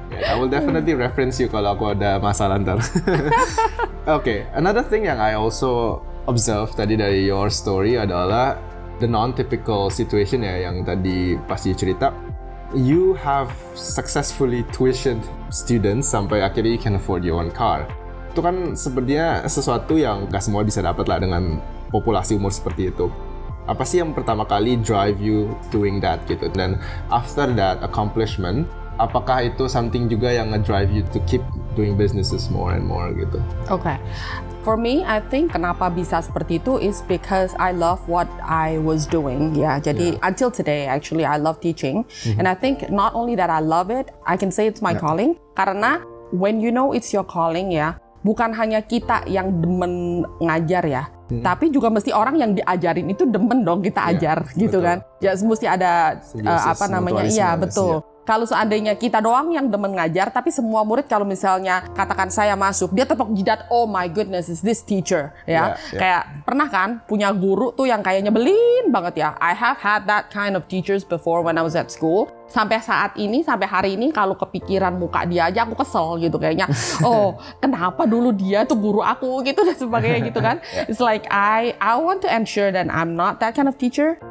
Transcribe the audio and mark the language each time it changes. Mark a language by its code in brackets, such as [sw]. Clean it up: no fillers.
[en] Yeah, I will definitely reference you [id] kalau aku ada masalah ntar. [en] Okay, another thing [id] yang [en] I also observe [id] tadi dari [en] your story [id] adalah [en] the non-typical situation [id] ya yang tadi pas [en] you [id] cerita. [en] You have successfully tuitioned students [id] sampai akhirnya [en] you can afford your own car. [id] Itu kan sepertinya sesuatu yang gak semua bisa dapat lah dengan populasi umur seperti itu. Apa sih yang pertama kali [en] drive you doing that [id] gitu? Dan [en] after that accomplishment, [id] apakah itu [en] something [id] juga yang nge-drive [en] you to keep doing businesses more and more gitu? Okay. For me, I think [id] kenapa bisa seperti itu [en] is because I love what I was doing. Yeah, [id] jadi [en] until today actually I love teaching. Mm-hmm. And I think not only that I love it, I can say it's my calling. [id] Karena [en] when you know it's your calling [id] ya, bukan hanya kita yang demen ngajar ya. Tapi juga mesti orang yang diajarin itu demen dong kita ajar, gitu betul. Kan? Ya mesti ada betul. Kalau seandainya kita doang yang demen ngajar, tapi semua murid kalau misalnya katakan saya masuk, dia tepuk jidat, [en] oh my goodness, is this teacher? [id] Ya, kayak pernah kan punya guru tuh yang kayak nyebelin banget ya. [en] I have had that kind of teachers before when I was at school. [id] Sampai saat ini, sampai hari ini, kalau kepikiran muka dia aja aku kesel gitu kayaknya. Oh, kenapa dulu dia tuh guru aku gitu dan sebagainya gitu kan. [en] It's like I want to ensure that I'm not that kind of teacher.